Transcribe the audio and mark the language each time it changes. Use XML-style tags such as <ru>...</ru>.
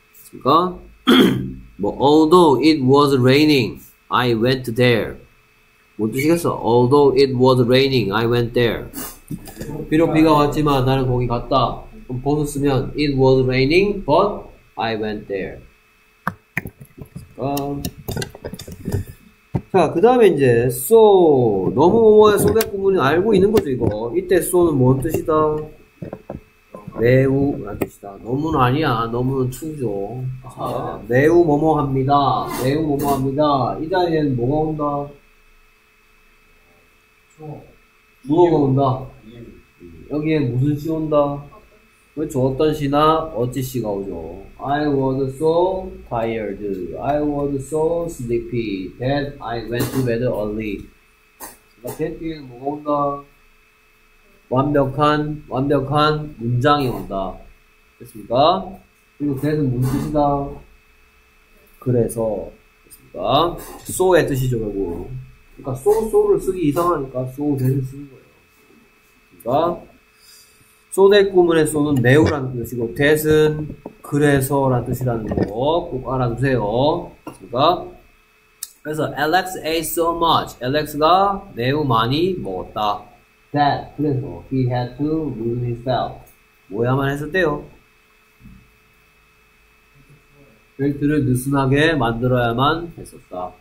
<ko>그러니까 뭐</ko> <en>although it was raining, I went there.</en> <ko>뭔 뜻이겠어?</ko> <en>Although it was raining, I went there.</en> <ko>비록 비가 왔지만 나는 거기 갔다. 그럼 but 쓰면</ko> <en>it was raining, but I went there.</en> <ko>자, 그 다음에 이제 so 너무 뭐뭐의 소개 부분이 알고 있는 거죠. 이거 이때 so는 뭔 뜻이다? 매우 라는 뜻이다. 너무는 아니야. 너무는 투죠. 아, 매우 뭐뭐합니다. 매우 뭐뭐합니다. 이 자리에는 뭐가 온다? 무어가 온다. 여기에 무슨 시 온다? 그렇죠. 어떤 시나 어찌 시가 오죠.</ko> <en>I was so tired. I was so sleepy that I went to bed early.</en> <ko>그러니까 that 뒤에는 뭐가 온다? 완벽한 문장이 온다. 됐습니까? 그리고 that은 무슨 뜻이다? 그래서. 됐습니까? so의 뜻이죠, 결국. 그러니까 so를 쓰기 이상하니까 so that을 쓰는 거예요. 됐습니까? so that 구문의 so는 매우란 뜻이고 that은 그래서 라는 뜻이라는 거 꼭 알아두세요. 됐습니까? 그래서 Alex</ko> <en>ate so much.</en> <ko>Alex가 매우 많이 먹었다.</ko> <en>That</en> <ko>그래서</ko> <en>he had to lose his belt.</en> <ko>뭐야만 했었대요? 벨트를 느슨하게 만들어야만 했었다.</ko>